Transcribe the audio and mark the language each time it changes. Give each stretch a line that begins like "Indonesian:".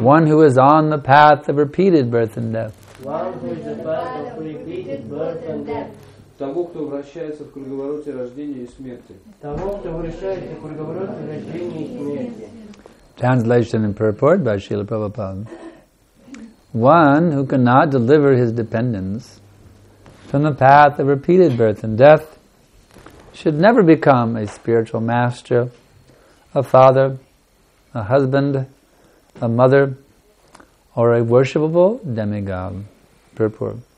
English: One who is on the path of repeated birth and death. One who is on the path of repeated birth and death.
Russian: Того, кто вращается в круговороте рождения и смерти. Того, кто вращается в круговороте рождения и смерти.
English: Translation and purport by Srila Prabhupada. One who cannot deliver his dependents from the path of repeated birth and death should never become a spiritual master, a father, a husband, a mother, or a worshipable demigod. Purport.